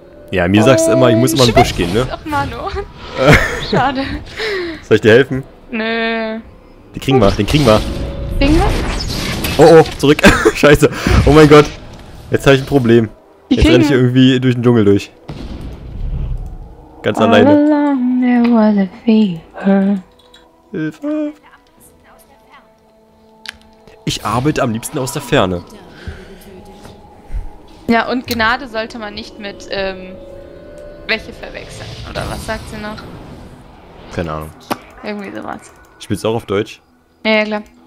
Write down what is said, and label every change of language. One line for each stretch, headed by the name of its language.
German: Ja, mir sagst du immer, ich muss immer in den Busch gehen, ne? Ach, Manu. Schade. Soll ich dir helfen? Nö. Den kriegen wir, den kriegen wir. Kriegen wir? Oh, oh, zurück. Scheiße. Oh mein Gott. Jetzt habe ich ein Problem. Jetzt renne ich irgendwie durch den Dschungel durch. Ganz alleine.
English: All along there was a fever.
German: Hilfe. Ich arbeite am liebsten aus der Ferne. Ja, und Gnade sollte man nicht mit, welche verwechseln. Oder was sagt sie noch? Keine Ahnung. Irgendwie sowas. Spielst du auch auf Deutsch? Ja, ja, klar.